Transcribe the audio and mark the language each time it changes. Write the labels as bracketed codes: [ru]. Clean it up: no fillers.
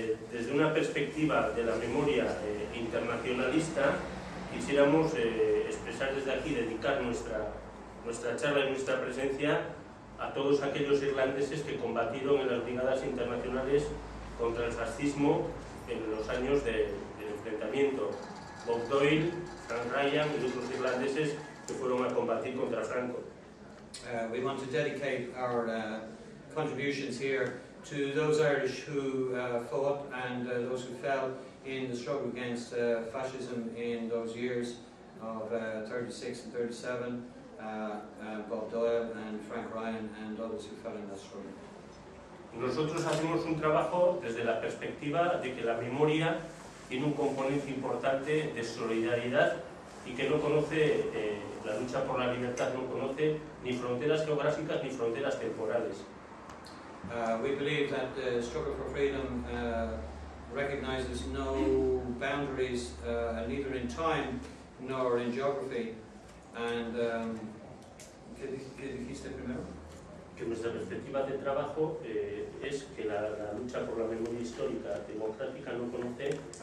[es] Desde una perspectiva de la memoria internacionalista, quisiéramos expresar desde aquí, dedicar nuestra charla y nuestra presencia a todos aquellos irlandeses que combatieron en las brigadas internacionales contra el fascismo en los años del enfrentamiento. Bob Doyle, Frank Ryan y otros irlandeses que fueron a combatir contra Franco. [en] We want to dedicate our contributions here to those Irish who fought and those who fell in the struggle against fascism in those years of 36 and 37. Bob Doyle and Frank Ryan and others who fell in that struggle. [es] Nosotros hacemos un trabajo desde la perspectiva de que la memoria tiene un componente importante de solidaridad y que no conoce la lucha por la libertad, no conoce ni fronteras geográficas ni fronteras temporales. [en] We believe that the struggle for freedom recognizes no boundaries, neither in time nor in geography. [es] And ¿qué dijiste primero? Que nuestra perspectiva de trabajo es que la lucha por la memoria histórica democrática no conoce.